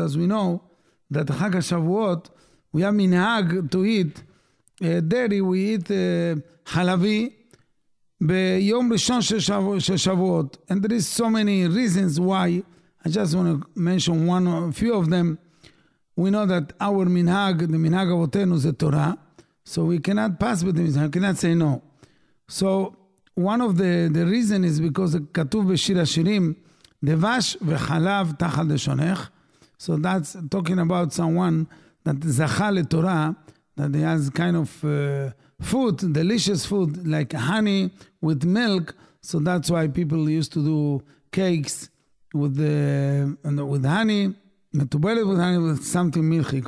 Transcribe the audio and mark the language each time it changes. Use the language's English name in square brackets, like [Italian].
[English] As we know, that Chag HaShavuot, we have minhag to eat dairy, we eat halavi [Hebrew] ביום ראשון של שבועות. [English] And there is so many reasons why. I just want to mention one or a few of them. We know that our minhag, the minhag avotenu, is the Torah. So we cannot pass with the minhag. We cannot say no. So one of the reason is because [Hebrew] כתוב בשיר השירים, דבש וחלב תחת לשונך. [English] So that's talking about someone that [Hebrew] זכה לתורה, [English] that he has kind of food, delicious food, like honey with milk. So that's why people used to do cakes with honey, metubelet with honey, with something milchik.